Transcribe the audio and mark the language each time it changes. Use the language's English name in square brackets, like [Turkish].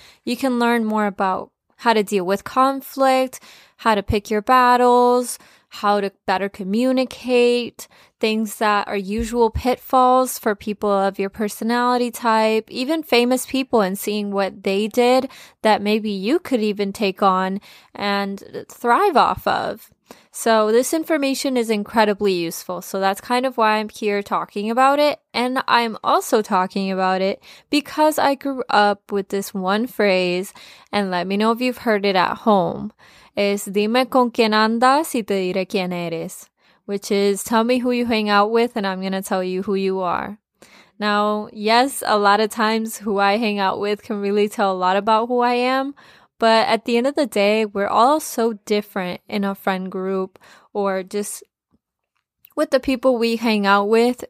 [English] You can learn more about how to deal with conflict, how to pick your battles, how to better communicate, things that are usual pitfalls for people of your personality type, even famous people, and seeing what they did that maybe you could even take on and thrive off of. So this information is incredibly useful. So that's kind of why I'm here talking about it. And I'm also talking about it because I grew up with this one phrase, and let me know if you've heard it at home. [Spanish] Es dime con quién andas y te diré quién eres. [English] Which is, tell me who you hang out with and I'm going to tell you who you are. Now, yes, a lot of times who I hang out with can really tell a lot about who I am. But at the end of the day, we're all so different in a friend group or just with the people we hang out with.